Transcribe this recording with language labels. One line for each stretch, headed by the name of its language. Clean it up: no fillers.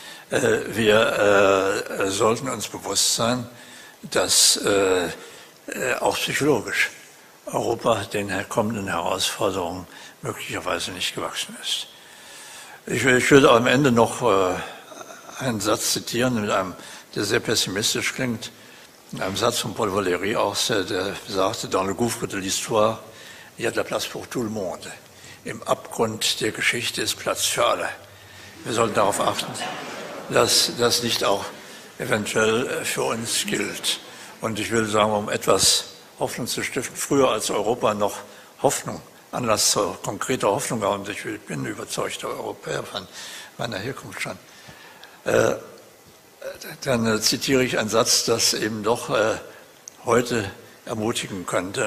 German: Wir sollten uns bewusst sein, dass auch psychologisch Europa den kommenden Herausforderungen möglicherweise nicht gewachsen ist. Ich würde am Ende noch einen Satz zitieren, der sehr pessimistisch klingt. In einem Satz von Paul Valéry auch, der sagte,
French: dans le gouffre de l'histoire, il y a de la place pour tout le monde.
German: Im Abgrund der Geschichte ist Platz für alle. Wir sollten darauf achten, dass das nicht auch eventuell für uns gilt. Und ich will sagen, um etwas Hoffnung zu stiften, früher als Europa noch Hoffnung, Anlass zur konkreten Hoffnung gab, und ich bin überzeugter Europäer von meiner Herkunft schon, dann zitiere ich einen Satz, das eben doch heute ermutigen könnte.